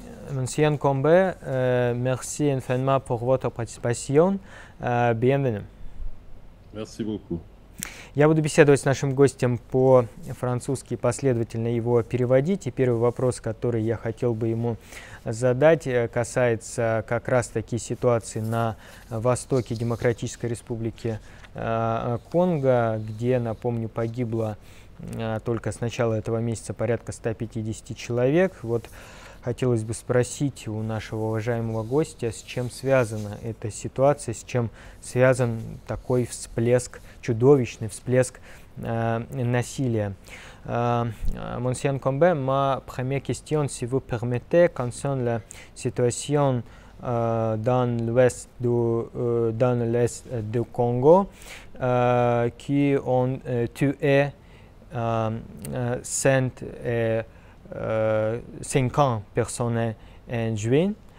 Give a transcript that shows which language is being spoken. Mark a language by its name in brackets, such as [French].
[French] Monsieur Nkombe, merci infiniment pour votre participation. Bienvenue. Merci beaucoup. [Russian] Я буду беседовать с нашим гостем по-французски, последовательно его переводить. И первый вопрос, который я хотел бы ему задать, касается как раз-таки ситуации на востоке Демократической Республики Конго, где, напомню, погибло только с начала этого месяца порядка 150 человек. Вот хотелось бы спросить у нашего уважаемого гостя, с чем связана эта ситуация, с чем связан такой всплеск, чудовищный всплеск насилия. [French] Monsieur Nkombe, ma première question, si vous permettez, concerne la situation dans l'est du Congo, qui ont tué 150 personnes en juin.